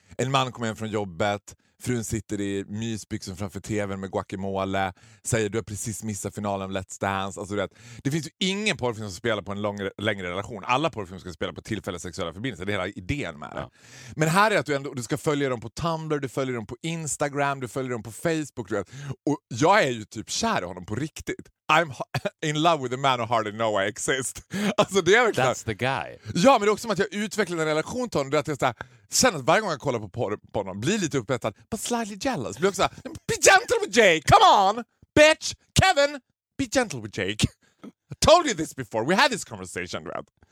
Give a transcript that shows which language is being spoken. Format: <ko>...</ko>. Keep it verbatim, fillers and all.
<sv>En man kommer hem från jobbet, frun sitter i mysbyxor framför tvn med guacamole, säger du har precis missat finalen av Let's Dance. Alltså, det, det finns ju ingen porrfilm som spelar på en lång, längre relation. Alla porrfilmer ska spela på tillfälliga sexuella förbindelser, det är hela idén med det. Ja. Men här är att du ändå du ska följa dem på Tumblr, du följer dem på Instagram, du följer dem på Facebook. Du vet. Och jag är ju typ kär i honom på riktigt.</sv> <en>I'm in love with a man who hardly know I exist.</en> <sv>Alltså det är verkligen...</sv> <en>That's the guy.</en> <sv>Ja, men det är också som att jag utvecklar en relation till honom. Det är att jag så här, känner att varje gång jag kollar på, på, på honom blir lite upphetsad.</sv> <en>But slightly jealous.</en> <sv>Blir också så här,</sv> <en>be gentle with Jake. Come on, bitch. Kevin, be gentle with Jake. I told you this before. We had this conversation, right?</en>